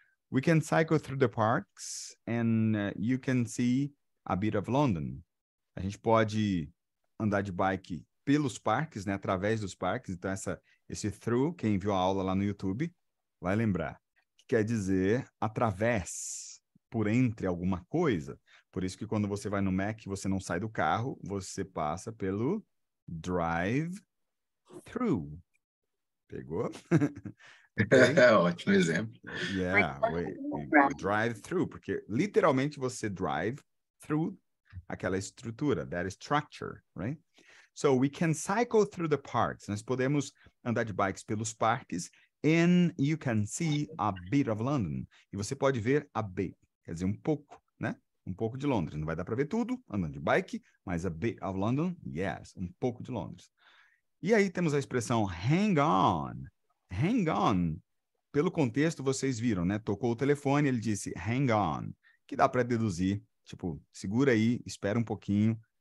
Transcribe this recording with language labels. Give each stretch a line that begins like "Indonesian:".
English: We can cycle through the parks and you can see a bit of London.
Portuguese: A gente pode andar de bike pelos parques, né? Através dos parques. Então, esse through, quem viu a aula lá no YouTube vai lembrar. Quer dizer, através, por entre alguma coisa. Por isso que quando você vai no Mac, você não sai do carro, você passa pelo drive-thru. Pegou? Okay. É ótimo exemplo. Yeah, drive-thru, porque literalmente você drive through aquela estrutura,
English: that structure, right? So, we can cycle through the parks.
Portuguese: Nós podemos andar de bikes pelos parques.
English: And you can see a bit of London.
Portuguese: E você pode ver a bit. Quer dizer, um pouco, né? Um pouco de Londres. Não vai dar para ver tudo, andando de bike, mas
English: a bit of London, yes,
Portuguese: um pouco de Londres. E aí temos a expressão hang on. Hang on. Pelo contexto, vocês viram, né? Tocou o telefone, ele disse hang on. Que dá para deduzir, tipo, segura aí, espera um pouquinho.